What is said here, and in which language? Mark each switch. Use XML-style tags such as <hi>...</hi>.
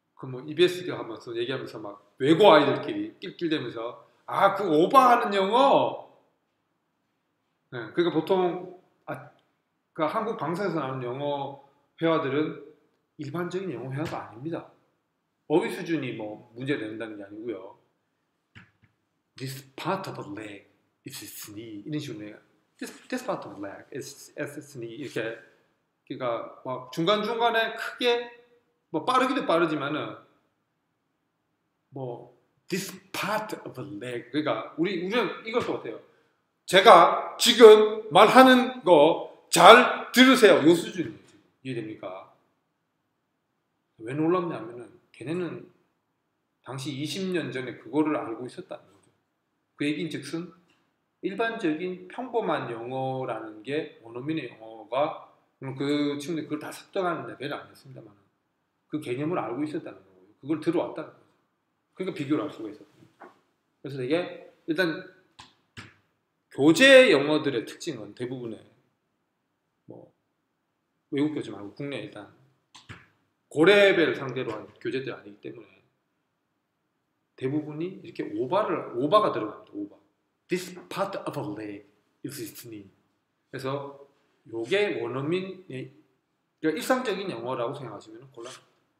<ko>뭐 EBS도 하면서 얘기하면서 막 외고 아이들끼리 낄낄대면서 아 그 오바하는 영어. 네, 그러니까 보통 그 한국 방송에서 나오는 영어 회화들은 일반적인 영어 회화가 아닙니다. 어휘 수준이 뭐 문제 된다는 게 아니고요.</ko> <en>This part of the leg is its knee</en> <ko>이런 식으로</ko> <en>this part of the leg is its knee</en> <ko>이렇게 그러니까 막 중간 중간에 크게 뭐 빠르기도 빠르지만은 뭐</ko> <en>this part of a leg</en> <ko>그러니까 우리는 이걸 써도 돼요. 제가 지금 말하는 거 잘 들으세요. 요 수준 이해됩니까? 왜 놀랍냐면은 걔네는 당시 20년 전에 그거를 알고 있었다는 거죠. 그 얘기인즉슨 일반적인 평범한 영어라는 게 원어민의 영어가 그럼 그 친구들 그걸 다 습득하는 레벨이 아니었습니다만. 그 개념을 알고 있었다는 거예요. 그걸 들어왔다는 거예요. 그러니까 비교를 할 수가 있었다. 그래서 이게 일단 교재 영어들의 특징은 대부분의 뭐 외국 교재 말고 국내 일단 고레벨 상대로 한 교재들 아니기 때문에 대부분이 이렇게 오바가 들어갑니다. 오바.</ko> <en>This part of a leg is its knee.</en> <ko>그래서 이게 원어민의 그러니까 일상적인 영어라고 생각하시면 곤란합니다.</ko>